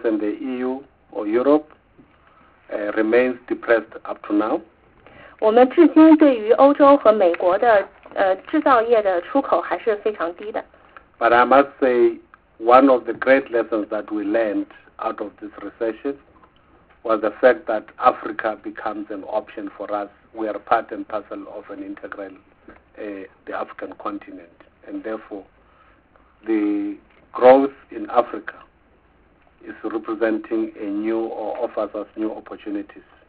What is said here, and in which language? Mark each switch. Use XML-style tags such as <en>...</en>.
<en>and the EU or Europe remains depressed up to now.</en> <zh>我们至今对于欧洲和美国的制造业的出口还是非常低的。</zh> <en>But I must say one of the great lessons that we learned out of this recession was the fact that Africa becomes an option for us. We are part and parcel of an integral, the African continent. And therefore, the growth in Africa is representing a new or offers us new opportunities.</en>